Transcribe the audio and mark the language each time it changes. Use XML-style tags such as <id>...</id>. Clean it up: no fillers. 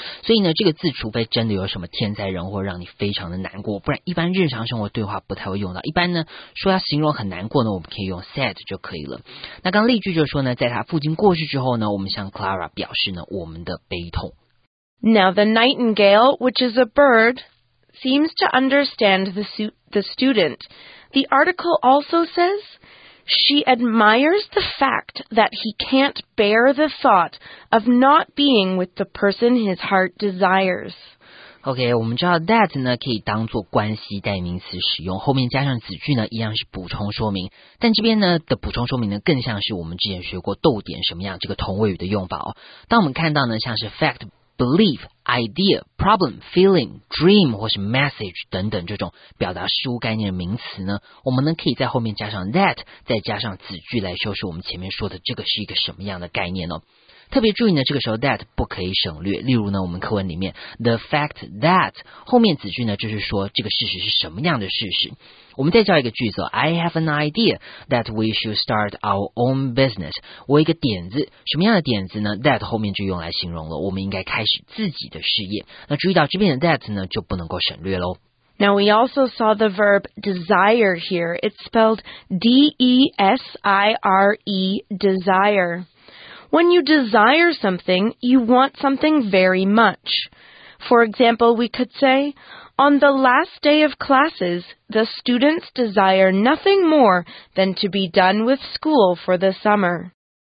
<zh>所以呢这个字除非真的有什么天灾人祸让你非常的难过，不然一般日常生活对话不太会用到。一般呢说要形容很难过呢，我们可以用 sad 就可以了。那刚例句就说呢，在他父亲过世之后呢，我们向 Clara 表示呢我们的悲痛。</zh> <en>Now the nightingale, which is a bird, seems to understand the student. The article also says, she admires the fact that he can't bear the thought of not being with the person his heart desires.</en> <zh>OK, 我们知道 that 呢可以当做关系代名词使用，后面加上子句呢一样是补充说明，但这边呢的补充说明呢更像是我们之前学过逗点什么样这个同位语的用法哦。当我们看到呢像是 fact,Belief, idea, problem, feeling, dream 或是 message 等等这种表达事物概念的名词呢，我们呢可以在后面加上 that， 再加上子句来修饰我们前面说的这个是一个什么样的概念哦。特别注意呢，这个时候 that 不可以省略。例如呢，我们课文里面</zh> <en>the fact that</en> <zh>后面子句呢，就是说这个事实是什么样的事实。我们再造一个句子 ，</zh> <en>I have an idea that we should start our own business。</en> <zh>我有一个点子，什么样的点子呢 ？That 后面就用来形容了，我们应该开始自己的事业。那注意到这边的 that 呢，就不能够省略喽。</zh> <en>Now we also saw the verb desire here. It's spelled D-E-S-I-R-E, desire. When you desire something, you want something very much. For example, we could say,On the last day of classes, the students desire nothing more than to be done with school for the summer.</en>